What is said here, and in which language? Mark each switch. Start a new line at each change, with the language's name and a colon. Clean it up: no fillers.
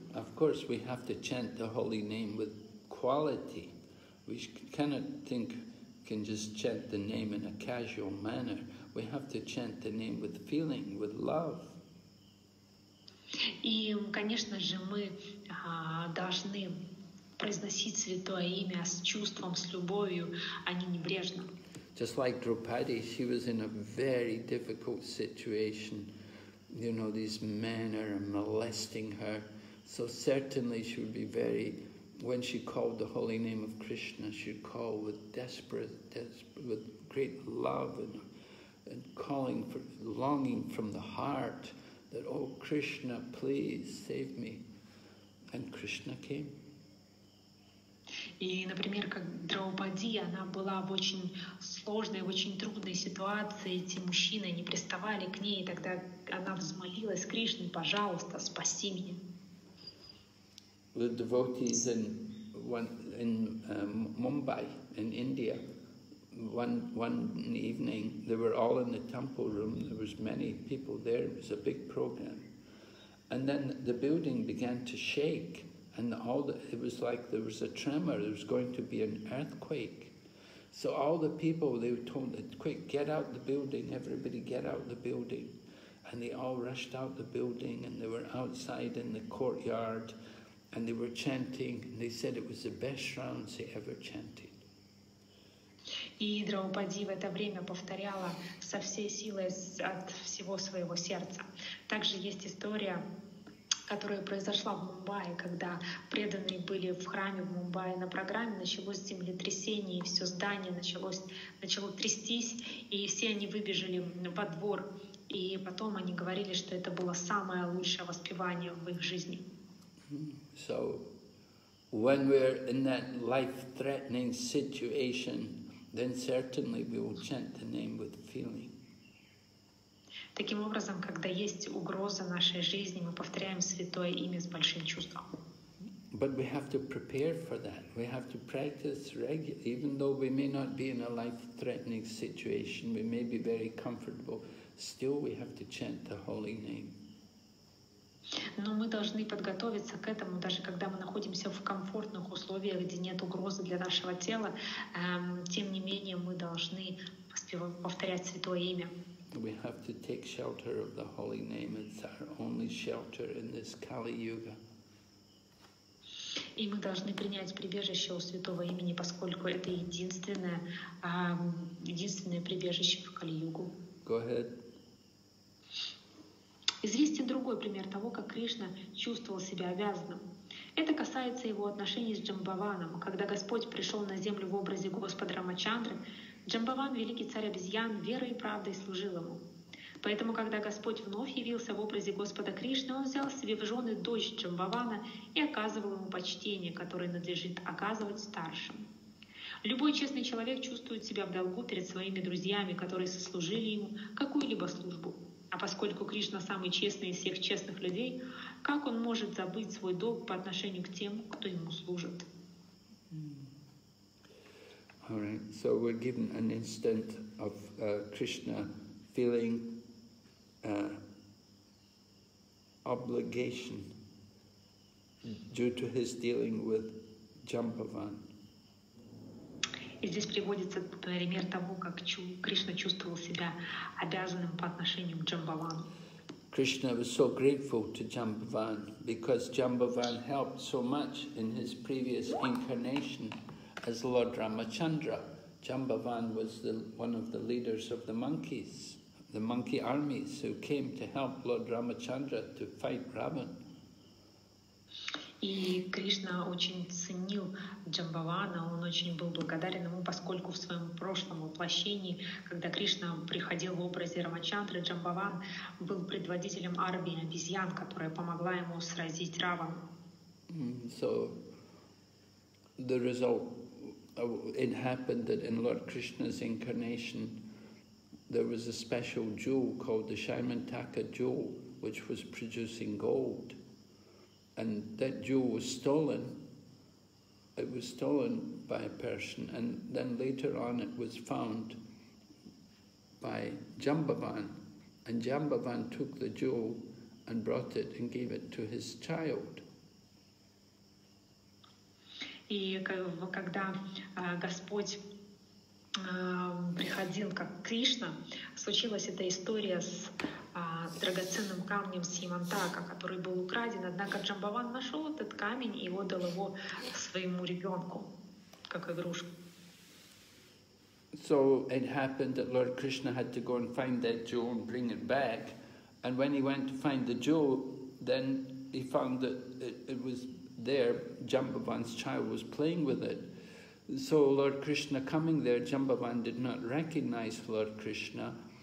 English: Of course, we have to chant the holy name with quality. We cannot think can just chant the name in a casual manner. We have to chant the name with feeling, with love.
Russian: И, конечно же, мы должны произносить святое имя с чувством, с любовью, а не небрежно.
English: Just like Draupadi, she was in a very difficult situation. You know, these men are molesting her. So certainly she would be very, when she called the holy name of Krishna, she'd call with desperate, with great love and calling for, longing from the heart that, oh Krishna, please save me. And Krishna came.
Russian: И, например, как Драупади, она была в очень сложной, в очень трудной ситуации, эти мужчины не приставали к ней, и тогда она взмолилась: Кришне, пожалуйста, спаси меня.
English: The devotees in Mumbai, in India, one evening, they were all in the temple room, there was many people there, it was a big program. And then the building began to shake. And all the, it was like there was a tremor, there was going to be an earthquake. So all the people, they were told, quick, get out the building, everybody get out the building. And they all rushed out the building, and they were outside in the courtyard, and they were chanting, and they said it was the best rounds they ever chanted.
Russian: И Драупади в это время повторяла со всей силой от всего своего сердца. Также есть история, которая произошла в Мумбаи, когда преданные были в храме в Мумбаи на программе, началось землетрясение, и все здание начало трястись, и все они выбежали во двор, и потом они говорили, что это было самое лучшее воспевание в их жизни.
English: So, when we're in that life-threatening situation, then certainly we will chant the name with feeling.
Russian: Таким образом, когда есть угроза нашей жизни, мы повторяем святое имя с большим чувством.
English: But we have to prepare for that. We have to practice regularly. Even though we may not be in a life-threatening situation, we may be very comfortable, still we have to chant the holy name.
Russian: Но мы должны подготовиться к этому, даже когда мы находимся в комфортных условиях, где нет угрозы для нашего тела, тем не менее мы должны повторять святое имя.
English: We have to take shelter of the holy name. It's our only shelter in this Kali Yuga.
Russian: И мы должны принять прибежище у святого имени, поскольку это единственное прибежище в Кали-Югу.
English: Go ahead.
Russian: Известен другой пример того, как Кришна чувствовал себя обязанным. Это касается его отношений с Джамбаваном. Когда Господь пришел на землю в образе Господа Рамачандры, Джамбаван, великий царь обезьян, верой и правдой служил ему. Поэтому, когда Господь вновь явился в образе Господа Кришны, он взял себе в жены дочь Джамбавана и оказывал ему почтение, которое надлежит оказывать старшим. Любой честный человек чувствует себя в долгу перед своими друзьями, которые сослужили ему какую-либо службу. А поскольку Кришна самый честный из всех честных людей, как он может забыть свой долг по отношению к тем, кто ему служит?
English: All right, so we're given an instant of Krishna feeling obligation due to his dealing with Jambavan.
Russian: И здесь приводится пример того, как Кришна чувствовал себя обязанным по отношению к Джамбавану.
English: Krishna was so grateful to Jambavan because Jambavan helped so much in his previous incarnation. As Lord Ramachandra, Jambavan was one of the leaders of the monkeys, the monkey armies who came to help Lord Ramachandra to fight Ravan.
Russian: И Кришна очень ценил Джамбавана, он очень был благодарен ему, поскольку в своем прошлом воплощении, когда Кришна приходил в образе Рамачандры, Джамбаван был предводителем армии обезьян, которая помогла ему сразить Раван.
English: So the result. It happened that in Lord Krishna's incarnation, there was a special jewel called the Shaimantaka jewel, which was producing gold. And that jewel was stolen. It was stolen by a person, and then later on it was found by Jambavan. And Jambavan took the jewel and brought it and gave it to his child.
Russian: И когда Господь приходил как Кришна, случилась эта история с драгоценным камнем Симантака, который был украден, однако Джамбаван нашел этот камень и отдал его своему ребенку как игрушку.
English: So it happened that Lord Krishna had to go and find that jewel and bring it back. And when he went to find the jewel, then he found that it was there. Jambavan's child was playing with it. So Lord Krishna coming there, Jambavan did not recognize Lord Krishna.